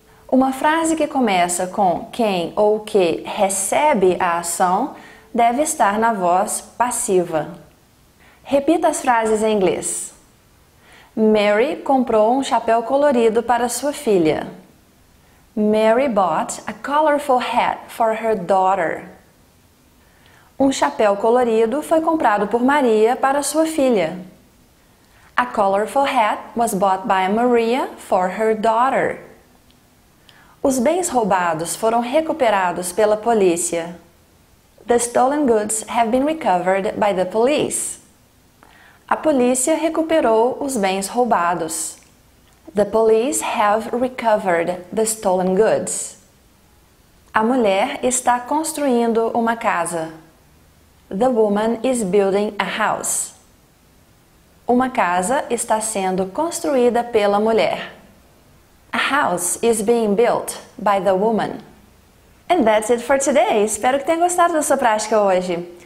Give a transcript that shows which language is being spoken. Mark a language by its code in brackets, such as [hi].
[pt] Uma frase que começa com quem ou o que recebe a ação deve estar na voz passiva. Repita as frases em inglês. Mary comprou um chapéu colorido para sua filha. [en] Mary bought a colorful hat for her daughter. [pt] Um chapéu colorido foi comprado por Maria para sua filha. [en] A colorful hat was bought by Maria for her daughter. [pt] Os bens roubados foram recuperados pela polícia. [en] The stolen goods have been recovered by the police. [pt] A polícia recuperou os bens roubados. [en] The police have recovered the stolen goods. [pt] A mulher está construindo uma casa. [en] The woman is building a house. [pt] Uma casa está sendo construída pela mulher. [en] A house is being built by the woman. And that's it for today. [pt] Espero que tenha gostado da sua prática hoje.